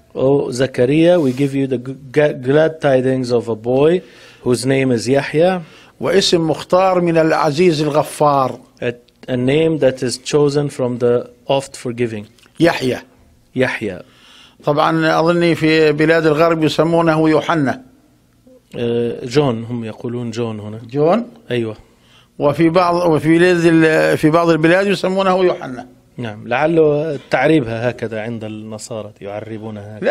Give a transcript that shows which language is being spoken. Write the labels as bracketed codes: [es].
[en] Oh, Zakaria, we give you the glad tidings of a boy whose name is Yahya. [ar] وإسم مختار من العزيز الغفار. [en] A name that is chosen from the oft-forgiving. Yahya. Yahya. [ar] طبعا أظني في بلاد الغرب يسمونه يوحنا. جون, هم يقولون جون هنا. جون؟ أيوة. وفي بعض البلاد يسمونه يوحنا. نعم لعله تعريبها هكذا عند النصارى يعربونها هكذا.